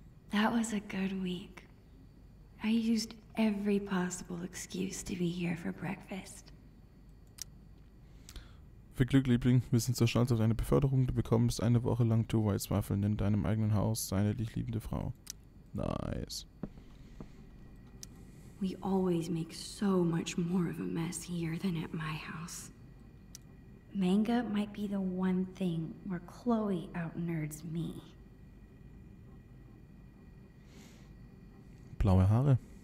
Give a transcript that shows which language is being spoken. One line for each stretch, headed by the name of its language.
English: That was a good week. I used every possible excuse to be here for breakfast.
German: Viel Glück, Liebling. Wir sind so stolz auf deine Beförderung. Du bekommst eine Woche lang 2 Weißwaffeln in deinem eigenen Haus, seine dich liebende Frau.
English: Nice. We always make so much more of a mess here than at my house. Manga might be the one thing where Chloe out-nerds me.
German: Blaue Haare.